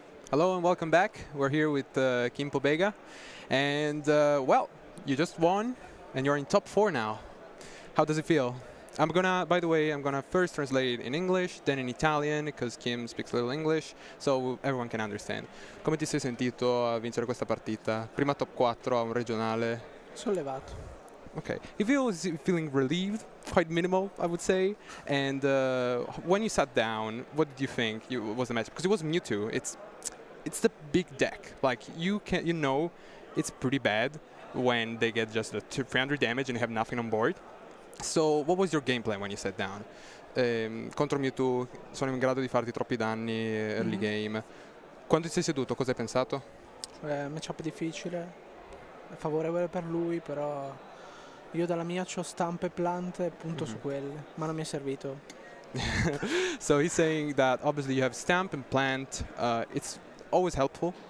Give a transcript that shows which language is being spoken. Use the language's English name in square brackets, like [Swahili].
[English] Hello and welcome back. We're here with Kim Pobega, and well, you just won, and you're in top 4 now. How does it feel? By the way, I'm gonna first translate it in English, then in Italian, because Kim speaks a little English, so everyone can understand. [Italian] Come ti sei sentito a vincere questa partita? Prima top 4 a un regionale. Sollevato. [English] Okay. You feel feeling relieved, quite minimal, I would say. And when you sat down, what did you think was the match? Because it was Mewtwo. It's the big deck. Like, you know, it's pretty bad when they get just the 300 damage and you have nothing on board. So, what was your game plan when you sat down? [Italian] Contro Mewtwo, sono in grado di farti troppi danni early game. Quando ti sei seduto, cosa hai pensato? Matchup difficile, favorevole per lui, però io dalla mia c'ho stampe plante e punto su quelle, ma non mi è servito. [English] So he's saying that obviously you have stamp and plant, it's always helpful.